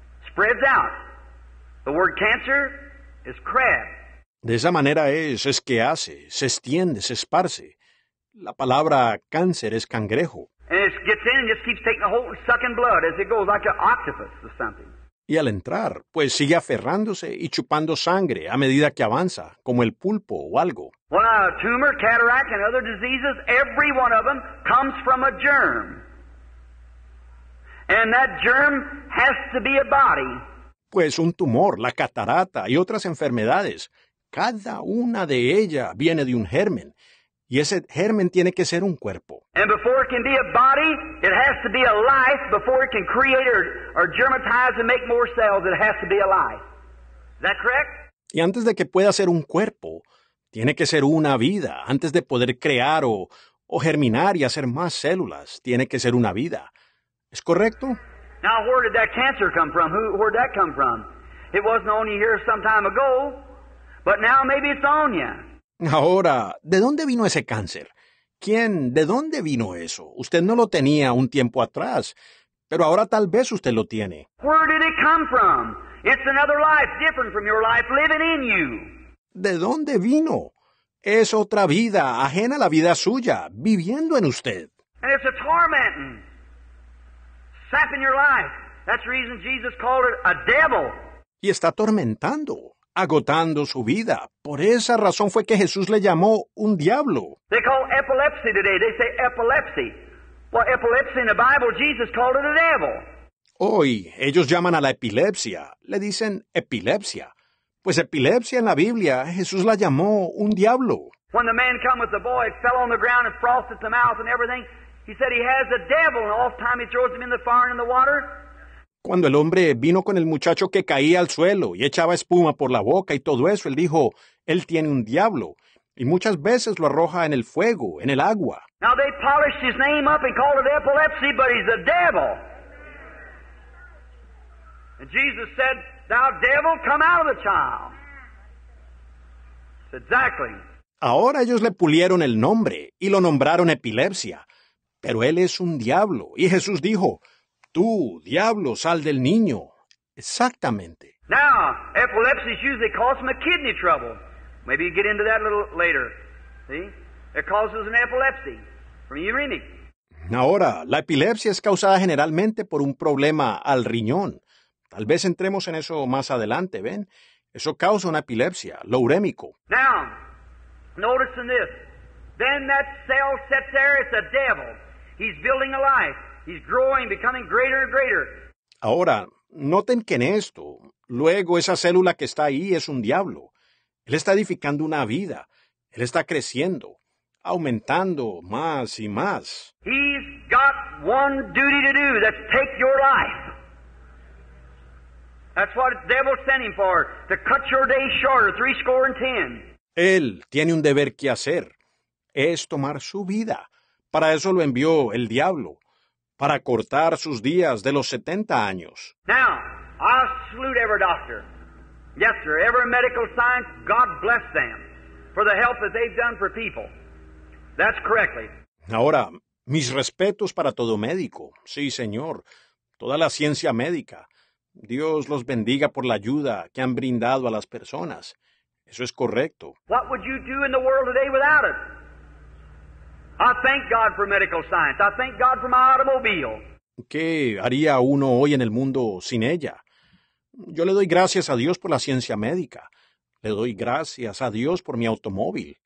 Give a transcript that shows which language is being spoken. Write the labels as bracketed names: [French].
[English] Spreads out. The word cancer is crab. [Spanish] De esa manera es que hace. Se extiende, se esparce. La palabra cáncer es cangrejo. [English] And it gets in and just keeps taking a whole, sucking blood as it goes like an octopus or something. [Spanish] Y al entrar, pues sigue aferrándose y chupando sangre a medida que avanza, como el pulpo o algo. [English] Well, tumor, cataract, and other diseases, every one of them comes from a germ. And that germ has to be a body. [Spanish] Pues un tumor, la catarata y otras enfermedades, cada una de ellas viene de un germen. Y ese germen tiene que ser un cuerpo. [English] And before it can be a body, it has to be a life. Before it can create or germatize and make more cells, it has to be a life. Is that correct? [Spanish] Y antes de que pueda ser un cuerpo, tiene que ser una vida. Antes de poder crear o germinar y hacer más células, tiene que ser una vida. ¿Es correcto? [English] Now, where did that cancer come from? Where did that come from? It wasn't on you here some time ago, but now maybe it's on you. [Spanish] Ahora, ¿de dónde vino ese cáncer? ¿Quién? ¿De dónde vino eso? Usted no lo tenía un tiempo atrás, pero ahora tal vez usted lo tiene. [English] Where did it come from? It's another life, different from your life, living in you. [Spanish] ¿De dónde vino? Es otra vida, ajena a la vida suya, viviendo en usted. [English] And it's a tormenting, sapping your life. That's the reason Jesus called it a devil. [Spanish] Y está atormentando, agotando su vida. Por esa razón fue que Jesús le llamó un diablo. [English] They call epilepsy today. They say epilepsy. Well, epilepsy in the Bible, Jesus called it a devil. [Spanish] Hoy, ellos llaman a la epilepsia. Le dicen epilepsia. Pues epilepsia en la Biblia, Jesús la llamó un diablo. [English] When the man came with the boy, it fell on the ground and frosted the mouth and everything. He said he has a devil, and all the time he throws him in the fire and in the water. [Spanish] Cuando el hombre vino con el muchacho que caía al suelo y echaba espuma por la boca y todo eso, él dijo, él tiene un diablo. Y muchas veces lo arroja en el fuego, en el agua. [English] Now they polished his name up and called it epilepsy, but he's a devil. And Jesus said, thou devil, come out of the child. Exactly. [Spanish] Ahora ellos le pulieron el nombre y lo nombraron epilepsia. Pero él es un diablo. Y Jesús dijo, tú, diablo, sal del niño. Exactamente. [English] Now, epilepsy usually causes a kidney trouble. Maybe you get into that a little later. See? It causes an epilepsy from your kidney. [Spanish] Ahora, la epilepsia es causada generalmente por un problema al riñón. Tal vez entremos en eso más adelante, ¿ven? Eso causa una epilepsia, lo urémico. [English] Now, noticing this. Then that cell sits there, it's a devil. He's building a life. He's growing, becoming greater and greater. [Spanish] Ahora, noten que en esto, luego esa célula que está ahí es un diablo. Él está edificando una vida. Él está creciendo, aumentando más y más. [English] He's got one duty to do, that's take your life. That's what the devil sent him for, to cut your day shorter, 70. [Spanish] Él tiene un deber que hacer. Es tomar su vida. Para eso lo envió el diablo. Para cortar sus días de los 70 años. [English] Now, I salute every doctor. Yes, sir, every medical science, God bless them for the help that they've done for people. That's correctly. [Spanish] Ahora, mis respetos para todo médico. Sí, señor. Toda la ciencia médica. Dios los bendiga por la ayuda que han brindado a las personas. Eso es correcto. [English] What would you do in the world today without it? I thank God for medical science. I thank God for my automobile. [Spanish] ¿Qué haría uno hoy en el mundo sin ella? Yo le doy gracias a Dios por la ciencia médica. Le doy gracias a Dios por mi automóvil.